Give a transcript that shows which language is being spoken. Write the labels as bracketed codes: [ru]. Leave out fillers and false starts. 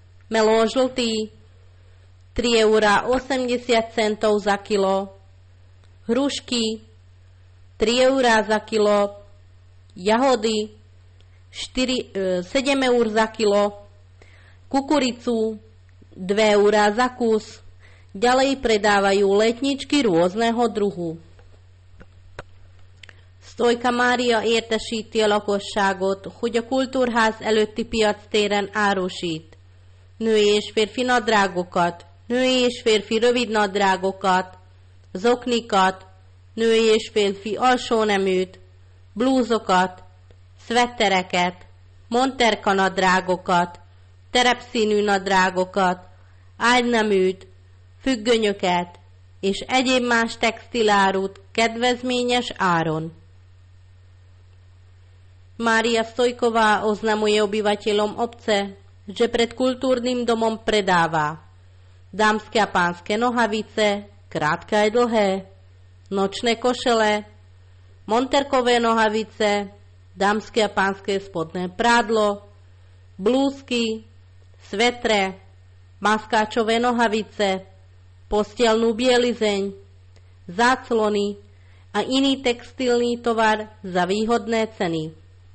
[sk] melón žltý 3 eurá 80 centov za kilo, hrušky 3 eurá za kilo, jahody 7 eur za kilo, kukuricu 2 eurá za kus. Ďalej predávajú letničky rôzneho druhu. [hu] Stojka Mária értesíti a lakosságot, hogy a kultúrház előtti piac téren árusít. Női és férfi nadrágokat, női és férfi rövid nadrágokat, zoknikat, női és férfi alsóneműt, blúzokat, szvettereket, monterka nadrágokat, terepszínű nadrágokat, ágyneműt, függönyöket és egyéb más textilárut kedvezményes áron. [sk] Mária Stojková oznamuje obyvateľom obce, že pred kultúrnym domom predáva dámske a pánske nohavice, krátke aj dlhé, nočné košele, monterkové nohavice, dámske a pánske spodné prádlo, blúzky, svetre, maskáčové nohavice, postielnú bielizeň, záclony a iný textilný tovar za výhodné ceny.